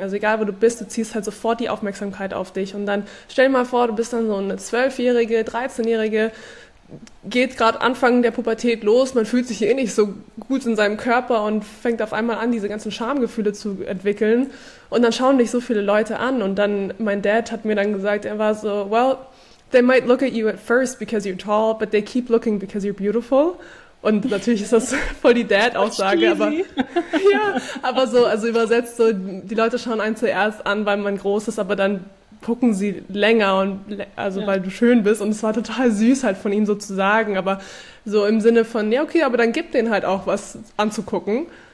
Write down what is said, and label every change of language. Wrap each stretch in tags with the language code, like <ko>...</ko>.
<de>Also egal, wo du bist, du ziehst halt sofort die Aufmerksamkeit auf dich. Und dann stell dir mal vor, du bist dann so eine 12-Jährige, 13-Jährige, geht gerade Anfang der Pubertät los, man fühlt sich eh nicht so gut in seinem Körper und fängt auf einmal an, diese ganzen Schamgefühle zu entwickeln. Und dann schauen dich so viele Leute an. Und dann, mein Dad hat mir dann gesagt, er war so,</de> <en>well, they might look at you at first because you're tall, but they keep looking because you're beautiful.</en> <de>Und natürlich ist das voll die Dad-Aussage, aber so, also übersetzt so, die Leute schauen einen zuerst an, weil man groß ist, aber dann gucken sie länger und weil du schön bist. Und es war total süß halt von ihm so zu sagen, aber so im Sinne von, ja okay, aber dann gib denen halt auch was anzugucken.</de>